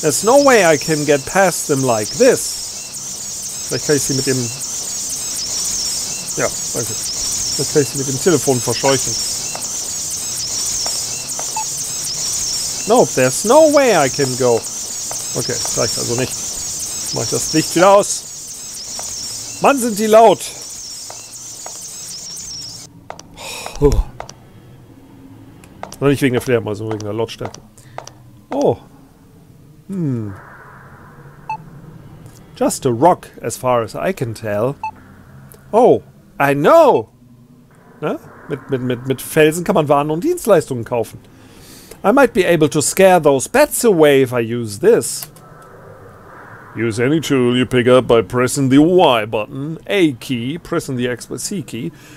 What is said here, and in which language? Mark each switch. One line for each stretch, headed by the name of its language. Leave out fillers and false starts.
English: There's no way I can get past them like this.
German: Vielleicht kann ich sie mit dem... Ja, danke. Vielleicht kann ich sie mit dem Telefon verscheuchen.
English: Nope, there's no way I can go. Okay,
German: reicht also nicht. Mach ich das Licht wieder aus. Mann, sind die laut. Oh. Nicht wegen der Fledermäuse, sondern wegen der Lautstärke. Oh.
English: Just a rock, as far as I can tell. Oh, I know. Ne?
German: Mit Felsen kann man Waren und Dienstleistungen kaufen.
English: I might be able to scare those bats away if I use this. Use any tool you pick up by pressing the Y button, A key, pressing the X by C key.